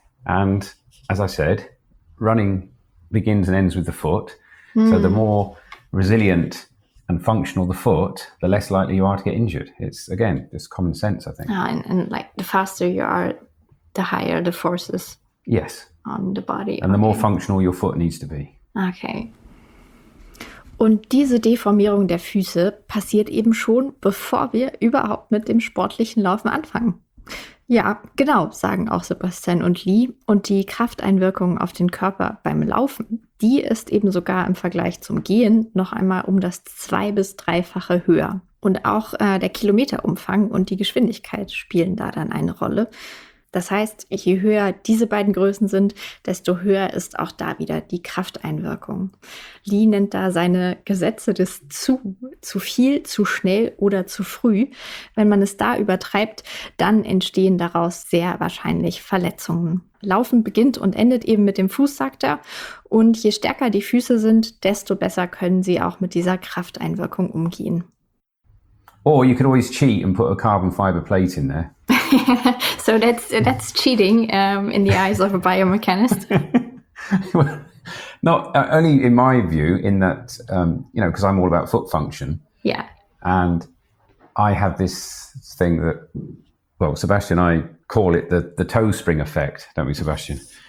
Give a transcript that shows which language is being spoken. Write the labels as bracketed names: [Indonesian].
[English] And as I said, running begins and ends with the foot. Mm. So the more resilient and functional the foot, the less likely you are to get injured. It's, again, just common sense, I think. And like the faster you are, the higher the forces. Yes. On the body. And the more functional your foot needs to be. Okay. [German] Und diese Deformierung der Füße passiert eben schon, bevor wir überhaupt mit dem sportlichen Laufen anfangen. Ja, genau, sagen auch Sebastian und Lee. Und die Krafteinwirkung auf den Körper beim Laufen, die ist eben sogar im Vergleich zum Gehen noch einmal um das 2- bis 3-fache höher. Und auch der Kilometerumfang und die Geschwindigkeit spielen da dann eine Rolle. Das heißt, je höher diese beiden Größen sind, desto höher ist auch da wieder die Krafteinwirkung. Lee nennt da seine Gesetze des zu viel, zu schnell oder zu früh. Wenn man es da übertreibt, dann entstehen daraus sehr wahrscheinlich Verletzungen. Laufen beginnt und endet eben mit dem Fuß, sagt er. Und je stärker die Füße sind, desto besser können sie auch mit dieser Krafteinwirkung umgehen. [English] Or you could always cheat and put a carbon fiber plate in there. So that's cheating in the eyes of a biomechanist. Well, not only in my view, in that, you know, because I'm all about foot function. Yeah. And I have this thing that, well, Sebastian, I call it the toe spring effect, don't we, Sebastian?